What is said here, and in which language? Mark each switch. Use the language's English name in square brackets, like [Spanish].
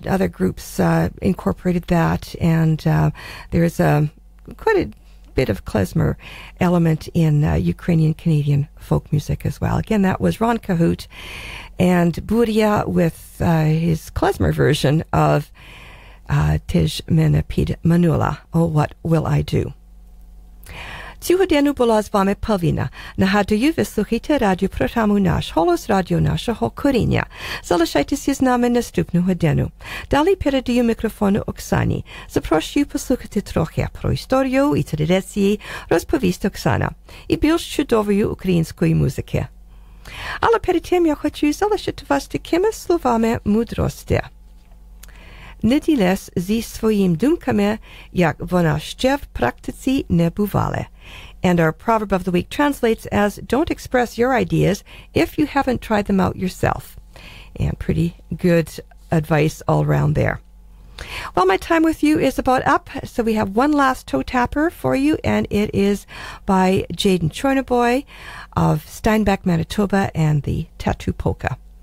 [English] Other groups incorporated that, and there is quite a bit of klezmer element in Ukrainian-Canadian folk music as well. Again, that was Ron Kahoot and Buria with his klezmer version of Tej Mene Pid Manula, Oh, What Will I Do? [Ukrainian] Цього дня була з вами Павіна. Нагадую, ви слухаєте радіопрограму «Наш голос», радіо нашого коріння. Залишайтеся з нами наступного дня. Далі передаю мікрофон Оксані. Запрошую послухати трохи про історію і традиції, розповість Оксана, і більш чудової української музики. Але перед тим я хочу залишити вас такими словами мудрості. Не ділись зі своїми думками, як вона ще в практиці не бувала. [English] And our proverb of the week translates as, don't express your ideas if you haven't tried them out yourself. And pretty good advice all around there. Well, my time with you is about up, so we have one last toe tapper for you, and it is by Jaden Chornoboy of Steinbeck, Manitoba, and the Tattoo Polka.